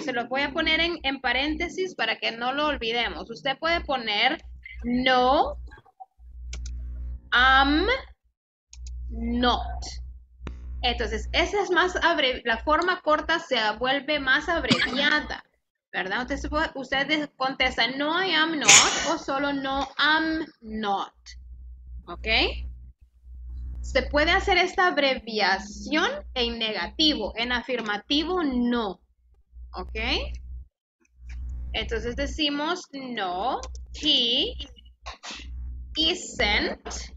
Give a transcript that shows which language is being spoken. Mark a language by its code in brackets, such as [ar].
[es] Se lo voy a poner en paréntesis para que no lo olvidemos. Usted puede poner [en] no, I'm not. [es] Entonces, esa es más la forma corta se vuelve más abreviada, ¿verdad? Usted contesta [en] no, I am not, [es] o solo [en] no, I'm not. [es] ¿Ok? Se puede hacer esta abreviación en negativo, en afirmativo, no. ¿Ok? Entonces decimos [en] no, he isn't.